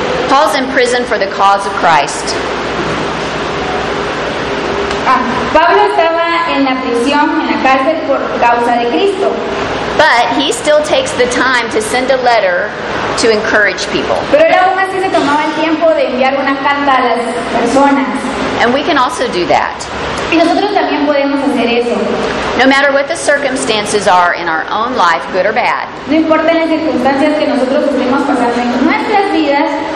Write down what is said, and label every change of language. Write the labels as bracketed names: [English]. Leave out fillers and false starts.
[English] Paul's in prison for the cause of Christ. [Spanish] Pablo estaba en la prisión, en la cárcel por causa de Cristo. [English] But he still takes the time to send a letter to encourage people. [Spanish] Pero él aún así se tomaba el tiempo de enviar una carta a las personas. [English] And we can also do that. [Spanish] Y nosotros también podemos hacer eso. [English] No matter what the circumstances are in our own life, good or bad. [Spanish] No importa las circunstancias que nosotros estemos pasando en nuestras vidas.